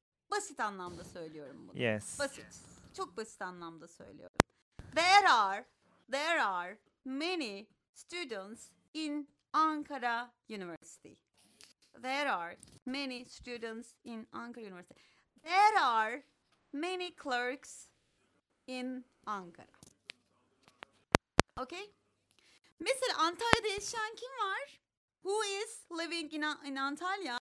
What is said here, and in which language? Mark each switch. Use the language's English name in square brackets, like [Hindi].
[Turkish] Basit anlamda söylüyorum bunu. [English] Yes. [Turkish] Basit. Çok basit anlamda söylüyorum. [English] There are many students in Ankara University. There are many students in Ankara University. There are many clerks in Ankara. Okay? [Turkish] Mesela Antalya'da yaşayan kim var? [English] Who is living in Antalya?